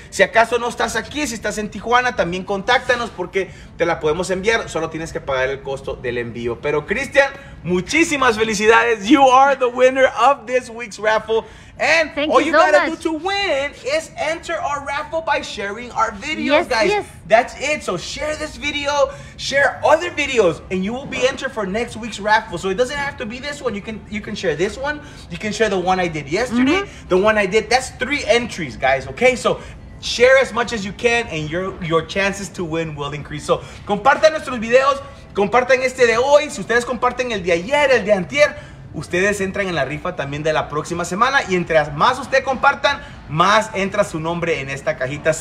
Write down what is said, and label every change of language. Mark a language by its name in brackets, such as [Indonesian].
[Spanish] Si acaso no estás aquí, si estás en Tijuana, también contáctanos porque te la podemos enviar. Solo tienes que pagar el costo del envío. Pero, Cristian, muchísimas felicidades. [English] You are the winner of this week's raffle. And Thank you so much. Do to win is enter our raffle by sharing our videos, yes, guys. Yes. That's it. So share this video, share other videos, and you will be entered for next week's raffle. So it doesn't have to be this one. You can share this one. You can share the one I did yesterday, the one I did. That's 3 entries, guys. Okay, so share as much as you can, and your chances to win will increase. [Spanish] So compartan nuestros videos, compartan este de hoy. Si ustedes comparten el de ayer, el de antier, ustedes entran en la rifa también de la próxima semana. Y entre más ustedes compartan, más entra su nombre en esta cajita.